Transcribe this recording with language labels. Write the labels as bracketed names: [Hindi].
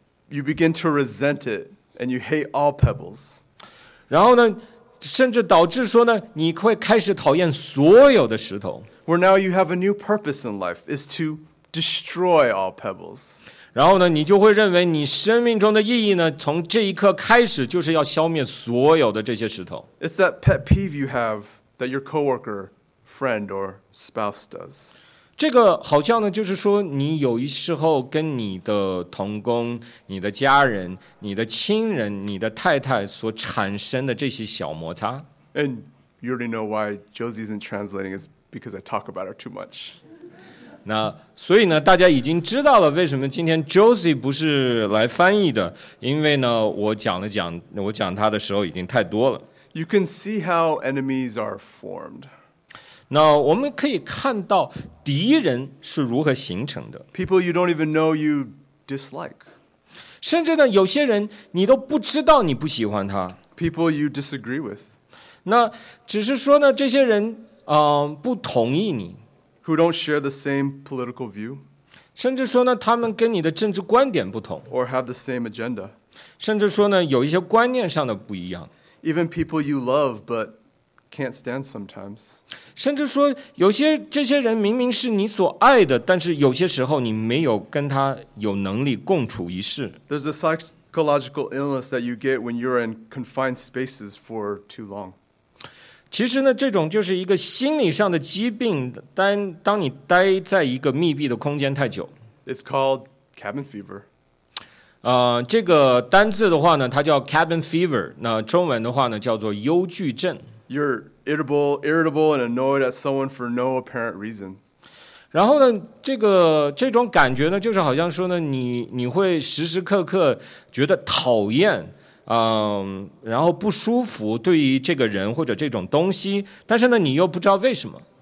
[English] You begin to resent it, and you hate all pebbles. [Chinese] 然后呢，甚至导致说呢，你会开始讨厌所有的石头。 [English] Where now you have a new purpose in life is to destroy all pebbles. [Chinese] 然后呢，你就会认为你生命中的意义呢，从这一刻开始就是要消灭所有的这些石头。 [English] It's that pet peeve you have that your coworker, friend, or spouse does. [Chinese] 这个好像呢，就是说你有一时候跟你的同工、你的家人、你的亲人、你的太太所产生的这些小摩擦。 [English] And you already know why Josie isn't translating his. Because I talk about her too much. [Chinese] 那所以呢，大家已经知道了为什么今天 Josie 不是来翻译的，因为呢，我讲他的时候已经太多了。 [English] You can see how enemies are formed. [Chinese] 那我们可以看到敌人是如何形成的。 [English] People you don't even know you dislike. [Chinese] 甚至呢，有些人你都不知道你不喜欢他。 [English] People you disagree with. [Chinese] 那只是说呢，这些人。不同意你 [English] who don't share the same political view [Chinese] 甚至说呢他们跟你的政治观点不同 [English] or have the same agenda [Chinese] 甚至说呢有一些观念上的不一样 [English] even people you love but can't stand sometimes. [Chinese] 甚至说有些这些人明明是你所爱的，但是有些时候你没有跟他有能力共处一室。 [English] There's a psychological illness that you get when you're in confined spaces for too long. [Chinese] 其实呢，这种就是一个心理上的疾病，当你待在一个密闭的空间太久。 [English] It's called cabin fever. [Chinese] 这个单字的话呢，它叫 cabin fever， 那中文的话呢叫做忧惧症。 [English] You're irritable and annoyed at someone for no apparent reason。 [Chinese] 然后呢，这种感觉呢，就是好像说呢，你会时时刻刻觉得讨厌，然后不舒服对于这个人或者这种东西，但是呢，你又不知道为什么。